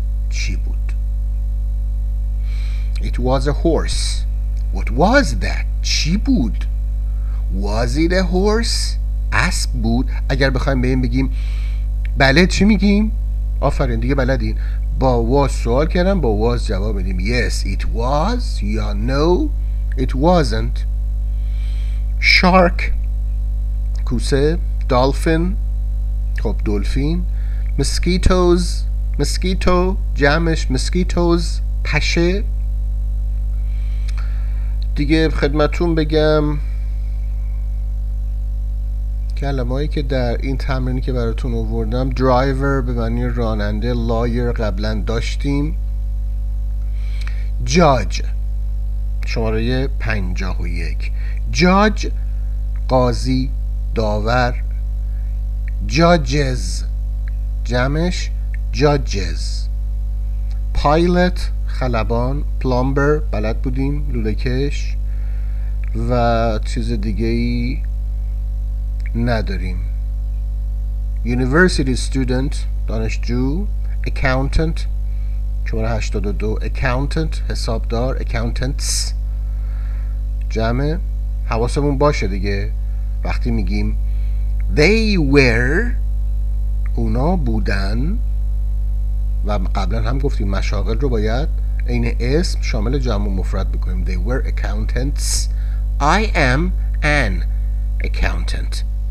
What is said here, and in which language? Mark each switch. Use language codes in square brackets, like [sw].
[fa] چی بود؟ [en] It was a horse. What was that? [fa] چی بود؟ [en] Was it a horse? [fa] اسب بود؟ اگر بخوایم به این بگیم بله، چی میگیم؟ آفرین، دیگه بلدین. با was سوال کردم، با was جواب میدیم. [en] Yes, it was. یا no, it wasn't. [fa] Shark، کوسه. Dolphin، خب دولفین. Mosquitoes، mosquito، جمعش mosquitoes، پشه. دیگه خدمتون بگم کلمه‌ای که در این تمرینی که براتون آوردم، driver به معنی راننده، lawyer قبلا داشتیم، judge شماره 51، judge قاضی، داور، judges جمعش judges، pilot خلبان، plumber بلد بودیم، لوله کش، و چیز دیگه ای نداریم. University student دانشجو، accountant شماره 82، accountant حسابدار، accountants جمع. حواسمون باشه دیگه وقتی میگیم [en] they were، [fa] اونا بودن، و قبلا هم گفتیم مشاغل رو باید این اسم شامل جمع و مفرد بکنیم. [en] they were accountants. I am an accountant.